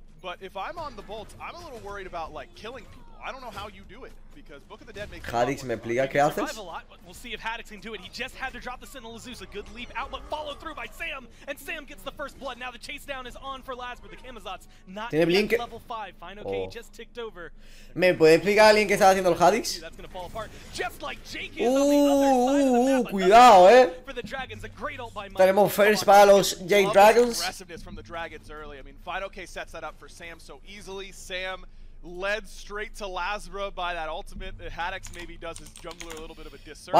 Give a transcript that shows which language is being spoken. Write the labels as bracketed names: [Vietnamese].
[English] But if I'm on the Bolts, I'm a little worried about, like, killing people. I don't know how you do it, because Book of the Dead makes [Spanish] Haddix me explica qué haces. [English] We'll see if Haddix can do it. He just had to drop the Sentinel of Zeus. A good leap out, but followed through by Sam. And Sam gets the first blood. Now the chase down is on for Laz, but the Kamazots not yet blink? Level 5. Fine, okay, oh. Just ticked over. [Spanish] ¿Me puede explicar alguien qué está haciendo el Haddix? [English] That's gonna fall apart. Just like Jake is [Spanish] cuidado, [English] For the Dragons, a great ult by Mike. [Spanish] Tenemos first para los Jade Dragons. [English] Aggressiveness from the Dragons early. I mean, Fine OK sets that up for Sam so easily. Sam led straight to Lazra by that ultimate. Haddix maybe does his jungler a little bit of a disservice.